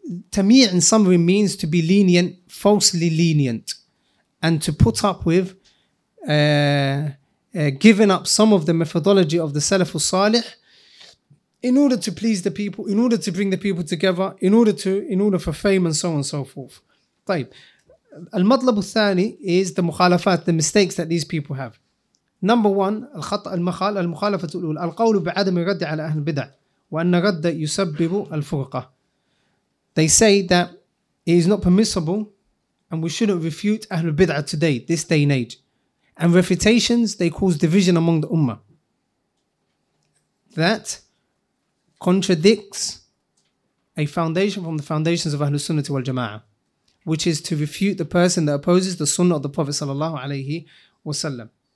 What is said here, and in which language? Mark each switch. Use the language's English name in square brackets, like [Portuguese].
[English] Tamir in summary means to be lenient, falsely lenient, and to put up with giving up some of the methodology of the Salaf al-Salih in order to please the people, in order to bring the people together, in order for fame and so on and so forth. طيب. Al-Matlab al-Thani is the mukhalafat, the mistakes that these people have. Number one, [Arabic] الخطأ المخال المخالفة الأولى القول بعدم الرد على أهل البدع وأن الرد يسبب الفرقة. [English] They say that it is not permissible and we shouldn't refute أهل البدع today, this day and age. And refutations, they cause division among the ummah. That contradicts a foundation from the foundations of أهل السنة والجماعة, which is to refute the person that opposes the sunnah of the Prophet صلى الله عليه وسلم.